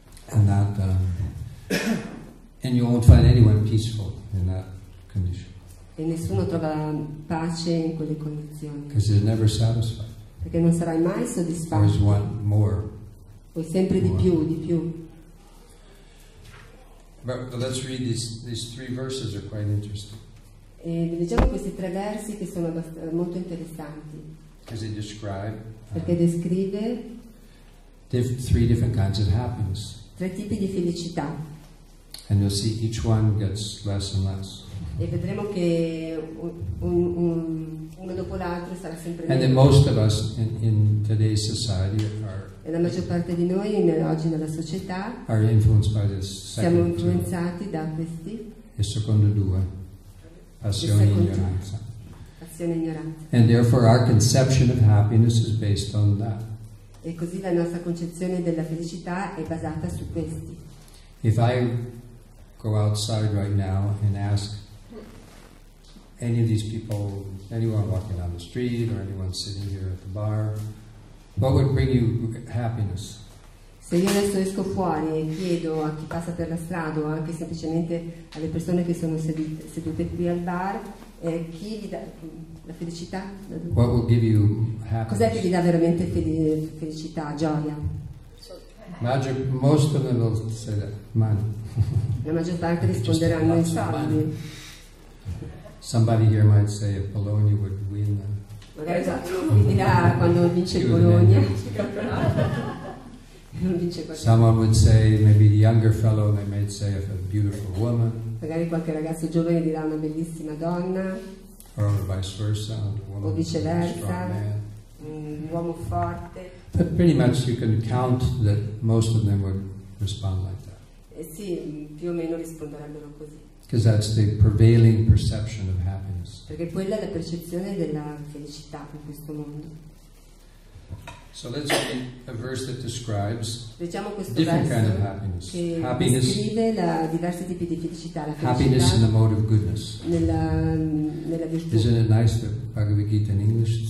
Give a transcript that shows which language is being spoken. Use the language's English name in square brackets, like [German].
[English] And that, and you won't find anyone peaceful in that condition. [Italian] E nessuno trova pace in quelle condizioni. [English] Because you're never satisfied. [Italian] Perché non sarai mai soddisfatto. [English] Always want more. [Italian] Vuoi sempre di più, di più. [English] But let's read these three verses are quite interesting. [Italian] E leggiamo questi tre versi che sono molto interessanti. [English] Because they describe. [Italian] Perché descrive. [English] Three different kinds of happiness. [Italian] Tre tipi di felicità. [English] And you'll see each one gets less and less. [Italian] E vedremo che uno dopo l'altro sarà sempre meno. [English] And then most of us in today's society are. [Italian] E la maggior parte di noi oggi nella società. [English] Are influenced by this. [Italian] Siamo influenzati da questi. E secondo due. Passione e ignoranza. Passione e ignoranza. [English] And therefore our conception of happiness is based on that. [Italian] E così la nostra concezione della felicità è basata su questi. [English] If I go outside right now and ask any of these people, anyone walking down the street or anyone sitting here at the bar, what would bring you happiness? [Italian] Se io adesso esco fuori e chiedo a chi passa per la strada o anche semplicemente alle persone che sono sedute qui al bar, chi vi dà la felicità? [English] What will give you happiness? [Italian] Cos'è che vi dà veramente felicità, gioia? [English] Most of them will say that money. [Italian] La maggior parte risponderanno in soldi. [English] Somebody here might say if Bologna would win. [Italian] Magari già dirà quando vince Bologna. [English] Someone would say, maybe the younger fellow, they might say, if a beautiful woman. [Italian] Magari qualche ragazzo giovane dirà una bellissima donna. [English] Or vice versa, a woman. [Italian] O viceversa, un uomo forte. [English] But pretty much you can count that most of them would respond like that. [Italian] Sì, più o meno risponderebbero così. [English] Because that's the prevailing perception of happiness. [Italian] Perché quella è la percezione della felicità in questo mondo. [English] So let's read a verse that describes [Italian] leggiamo questo [English] different [Italian] verso [English] kind of happiness. [Italian] Che [English] happiness, [Italian] descrive la diversi tipi di felicità, la felicità. [English] Happiness in the mode of goodness. [Italian] Nella virtù. [English] Isn't it nice that Bhagavad Gita in English?